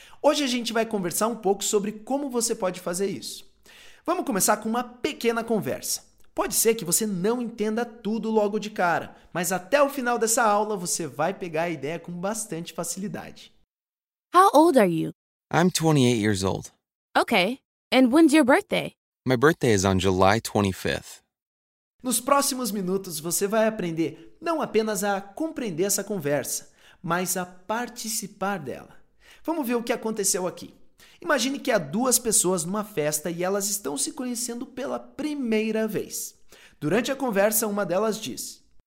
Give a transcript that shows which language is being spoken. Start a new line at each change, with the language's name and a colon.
Portuguese: Hoje a gente vai conversar um pouco sobre como você pode fazer isso. Vamos começar com uma pequena conversa. Pode ser que você não entenda tudo logo de cara, mas até o final dessa aula você vai pegar a ideia com bastante facilidade.
English: How old are you? I'm 28 years old. Okay. And when's your birthday? My birthday is on July 25th.
Portuguese: Nos próximos minutos você vai aprender não apenas a compreender essa conversa, mas a participar dela. Vamos ver o que aconteceu aqui. Imagine que há duas pessoas numa festa e elas estão se conhecendo pela primeira vez. Durante a conversa, uma delas diz: